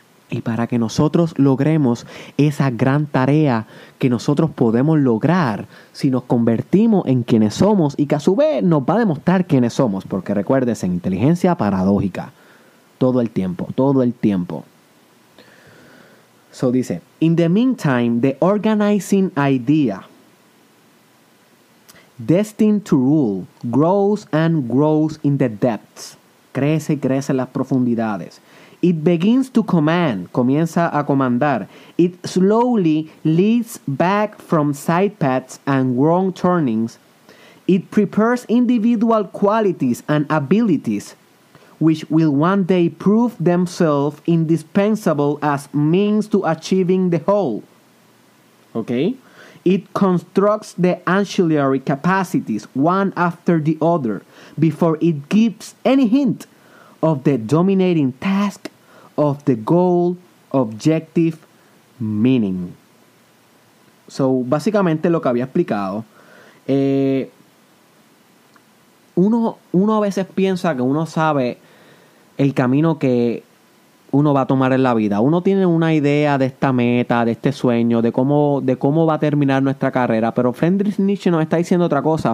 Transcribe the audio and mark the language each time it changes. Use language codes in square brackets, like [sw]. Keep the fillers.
[es] Y para que nosotros logremos esa gran tarea que nosotros podemos lograr si nos convertimos en quienes somos y que a su vez nos va a demostrar quiénes somos, porque recuérdese, inteligencia paradójica, todo el tiempo, todo el tiempo. [en] So dice, in the meantime, the organizing idea destined to rule, grows and grows in the depths. [es] Crece y crece en las profundidades. [en] It begins to command, comienza a comandar. It slowly leads back from side paths and wrong turnings. It prepares individual qualities and abilities which will one day prove themselves indispensable as means to achieving the whole. Okay? It constructs the ancillary capacities one after the other before it gives any hint of the dominating task of the goal, objective, meaning. [es] So, básicamente lo que había explicado, eh, uno, uno a veces piensa que uno sabe el camino que uno va a tomar en la vida. Uno tiene una idea de esta meta, de este sueño, de cómo, de cómo va a terminar nuestra carrera, pero Friedrich Nietzsche nos está diciendo otra cosa.